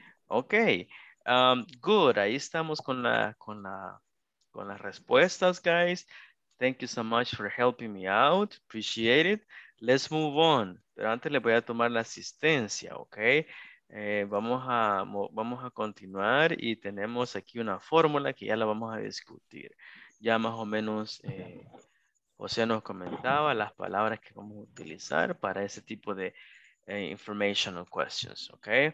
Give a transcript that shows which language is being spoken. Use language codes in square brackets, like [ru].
[en] Ok, good, [es] ahí estamos con las respuestas, guys. [en] Thank you so much for helping me out. Appreciate it. Let's move on. [es] Pero antes le voy a tomar la asistencia, ¿ok? Vamos a continuar y tenemos aquí una fórmula que ya la vamos a discutir. Ya más o menos José nos comentaba las palabras que vamos a utilizar para ese tipo de [en] informational questions, [es] ¿ok?